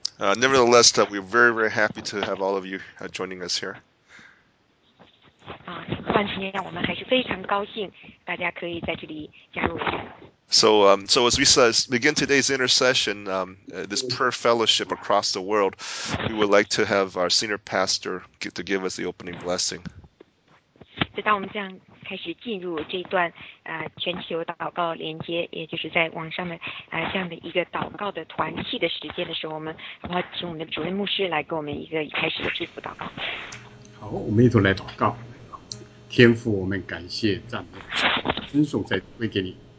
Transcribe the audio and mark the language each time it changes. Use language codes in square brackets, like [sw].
[en] Nevertheless, we're very, very happy to have all of you joining us here. [zh] 啊，换句话，我们还是非常高兴大家可以在这里加入。 [en] So as we say, begin today's intercession, this prayer fellowship across the world, we would like to have our senior pastor to give us the opening blessing. [zh] 就当我们这样开始进入这一段全球祷告连接，也就是在网上的这样的一个祷告的团契的时间的时候，我们好不好请我们的主任牧师来给我们一个开始的祝福祷告？好，我们一同来祷告。天父，我们感谢赞美，尊崇在归给你。